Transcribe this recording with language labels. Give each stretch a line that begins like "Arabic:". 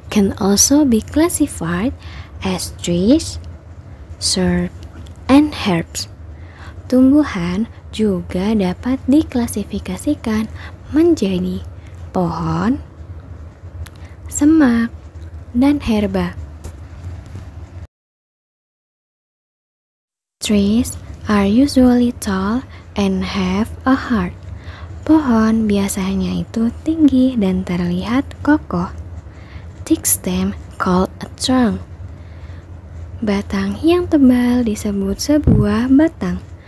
English: can also be classified as trees, shrubs, and herbs.
Indonesian: Tumbuhan juga dapat diklasifikasikan menjadi pohon, semak, dan herba.
English: Trees are usually tall and have a heart.
Indonesian: Pohon biasanya itu tinggi dan terlihat kokoh.
English: Thick stem called a trunk.
Indonesian: Batang yang tebal disebut sebuah batang.